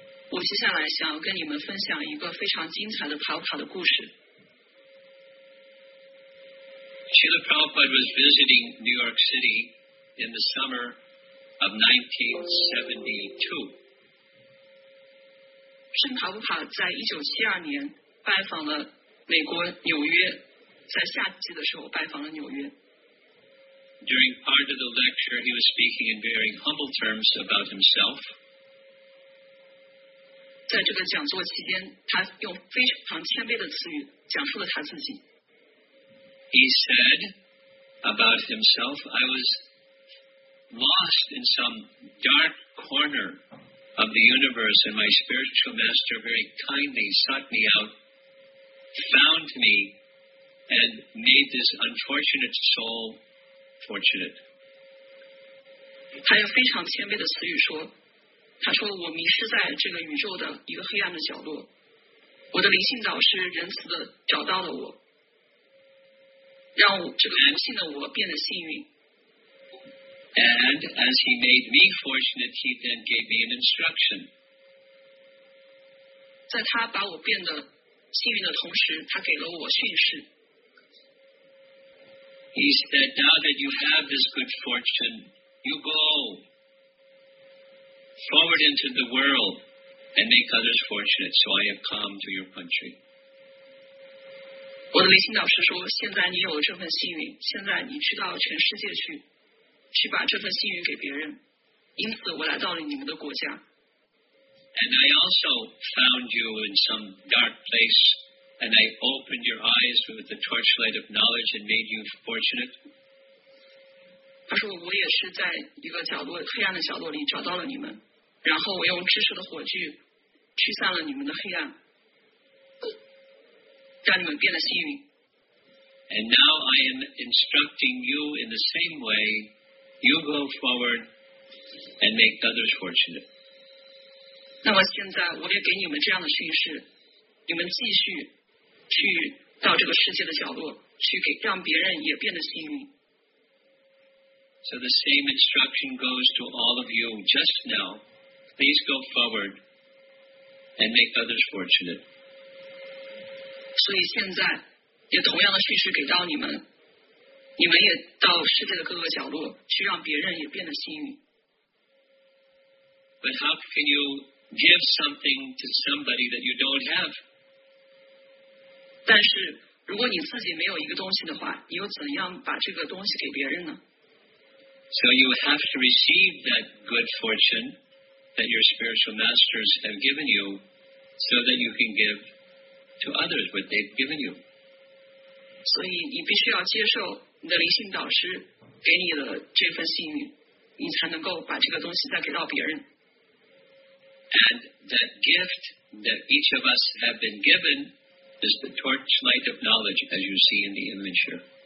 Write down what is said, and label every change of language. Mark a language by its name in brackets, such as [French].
[Chinese] 我接下来想跟你们分享一个非常精彩的跑跑的故事。 [English] Srila Prabhupada was visiting New York City in the summer of 1972. [Chinese] 圣跑跑在1972年拜访了美国纽约，在夏季的时候拜访了纽约。 [English] During part of the lecture, he was speaking in very humble terms about himself. [Chinese] 在这个讲座期间，他用非常谦卑的词语讲述了他自己。 [English] He said about himself, "I was lost in some dark corner of the universe, and my spiritual master very kindly sought me out, found me, and made this unfortunate soul fortunate." [Chinese] 他用非常谦卑的词语说。他说我迷失在这个宇宙的一个黑暗的角落，我的灵性导师仁慈地找到了我，让我这个不幸的我变得幸运。 [English] And as he made me fortunate, he then gave me an instruction. [Chinese] 在他把我变得幸运的同时，他给了我训示。 [English] He said, now that you have this good fortune, you goForward into the world and make others fortunate. So I have come to your country. [Chinese] 我的灵性导师说，现在你有这份幸运，现在你去到全世界去，去把这份幸运给别人。因此，我来到了你们的国家。 [English] And I also found you in some dark place, and I opened your eyes with the torchlight of knowledge and made you fortunate. [Chinese] 他说我也是在一个角落黑暗的角落里找到了你们，然后我用知识的火炬驱散了你们的黑暗，让你们变得幸运。 [English] And now I am instructing you in the same way, you go forward and make others fortunate. [Chinese] 那么现在我也给你们这样的训示，你们继续去到这个世界的角落去给让别人也变得幸运。 [English] So the same instruction goes to all of you just now. Please go forward and make others fortunate. [Chinese] 所以现在也同样的叙事给到你们，你们也到世界的各个角落去让别人也变得幸运。 [English] But how can you give something to somebody that you don't have? [Chinese] 但是如果你自己没有一个东西的话，你又怎样把这个东西给别人呢？ [English] So you have to receive that good fortune that your spiritual masters have given you so that you can give to others what they've given you. [Chinese] 所以你必须要接受你的灵性导师给你的这份幸运，你才能够把这个东西再给到别人。 [English] And that gift that each of us have been given is the torchlight of knowledge, as you see in the image here.